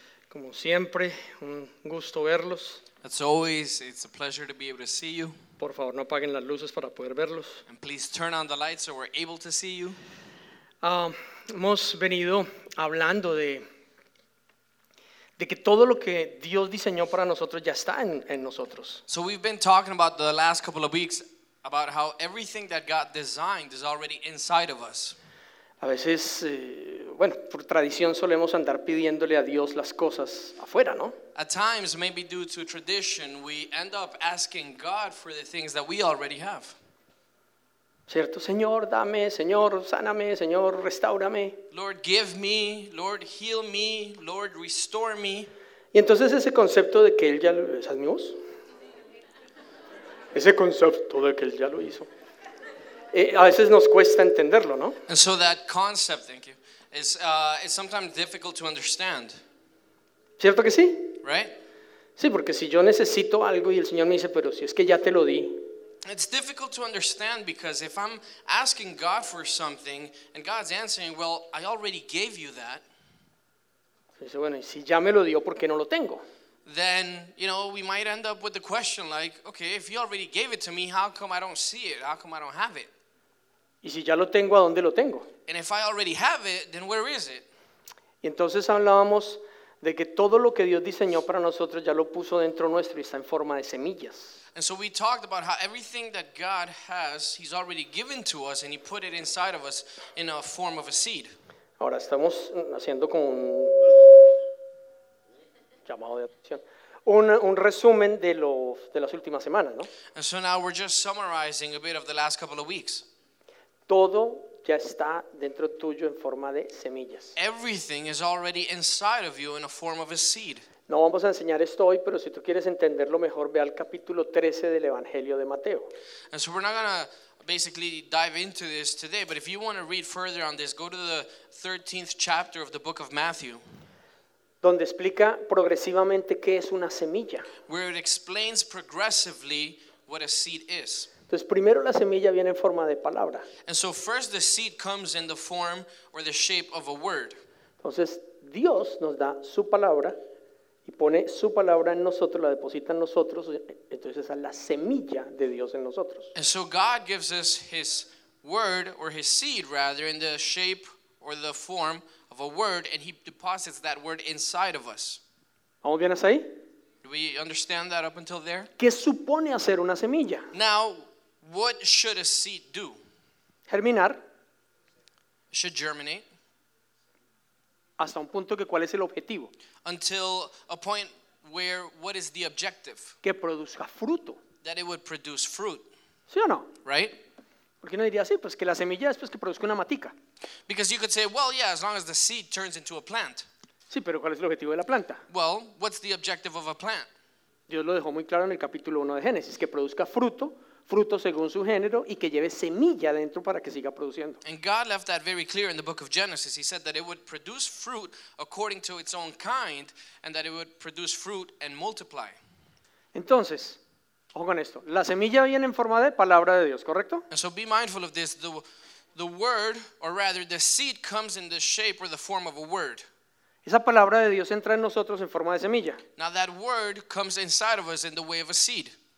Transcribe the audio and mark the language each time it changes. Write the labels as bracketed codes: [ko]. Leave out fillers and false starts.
[es] Como siempre, un gusto verlos. [en] As always, it's a pleasure to be able to see you. [es] Por favor, no apaguen las luces para poder verlos. [en] And please turn on the lights so we're able to see you. [es] Hemos venido hablando de que todo lo que Dios diseñó para nosotros ya está en nosotros. [en] So we've been talking about the last couple of weeks about how everything that God designed is already inside of us. [es] A veces, bueno, por tradición solemos andar pidiéndole a Dios las cosas afuera, ¿no? [en] At times, maybe due to tradition, we end up asking God for the things that we already have. [es] Cierto, Señor, dame, Señor, sáname, Señor, restáurame. [en] Lord, give me, Lord, heal me, Lord, restore me. [es] Y entonces ese concepto de que Él ya lo hizo, ¿sabes mi voz? Ese concepto de que Él ya lo hizo. A veces nos cuesta entenderlo, ¿no? [en] And so that concept, thank you, is sometimes difficult to understand. [es] ¿Cierto que sí? [en] Right? [es] Sí, porque si yo necesito algo y el Señor me dice, pero si es que ya te lo di. [en] It's difficult to understand because if I'm asking God for something and God's answering, well, I already gave you that. [es] Dice, bueno, y si ya me lo dio, ¿por qué no lo tengo? [en] Then, you know, we might end up with the question like, okay, if you already gave it to me, how come I don't see it? How come I don't have it? [es] ¿Y si ya lo tengo, a dónde lo tengo? [en] And if I already have it, then where is it? [es] Y entonces hablábamos de que todo lo que Dios diseñó para nosotros ya lo puso dentro nuestro y está en forma de semillas. [en] And so we talked about how everything that God has, he's already given to us and he put it inside of us in a form of a seed. [es] Ahora estamos haciendo como un llamado de atención. Un resumen de las últimas semanas, ¿no? [en] And so now we're just summarizing a bit of the last couple of weeks. [es] Todo ya está dentro tuyo en forma de semillas. [en] Everything is already inside of you in a form of a seed. [es] No vamos a enseñar esto hoy, pero si tú quieres entenderlo mejor, ve al capítulo 13 del Evangelio de Mateo. [en] And so we're not going to basically dive into this today, but if you want to read further on this, go to the 13th chapter of the book of Matthew. [es] Donde explica progresivamente qué es una semilla. [en] Where it explains progressively what a seed is. [es] Entonces, primero la semilla viene en forma de palabra. [en] And so first the seed comes in the form or the shape of a word. [es] Entonces, Dios nos da su palabra y pone su palabra en nosotros, la deposita en nosotros. Entonces, esa es la semilla de Dios en nosotros. [en] And so God gives us his word or his seed rather in the shape or the form of a word and he deposits that word inside of us. [es] ¿Vamos bien hasta ahí? [en] Do we understand that up until there? [es] ¿Qué supone hacer una semilla? [en] Now, what should a seed do? [es] Germinar. [en] Should germinate. [es] Hasta un punto que cuál es el objetivo. [en] Until a point where, what is the objective? [es] Que produzca fruto. [en] That it would produce fruit. [es] ¿Sí o no? [en] Right? [es] Porque uno diría así, pues que la semilla es pues que produzca una matica. [en] Because you could say, well, yeah, as long as the seed turns into a plant. [es] Sí, pero ¿cuál es el objetivo de la planta? [en] Well, what's the objective of a plant? [es] Dios lo dejó muy claro en el capítulo 1 de Génesis, que produzca fruto, fruto según su género, y que lleve semilla dentro para que siga produciendo. [en] And God left that very clear in the book of Genesis. He said that it would produce fruit according to its own kind, and that it would produce fruit and multiply. [es] Entonces, ojo con esto. La semilla viene en forma de palabra de Dios, ¿correcto? [en] And so be mindful of this. The word, or rather the seed, comes in the shape or the form of a word. [es] Esa palabra de Dios entra en nosotros en forma de semilla. [en] Now that word comes inside of us in the way of a seed.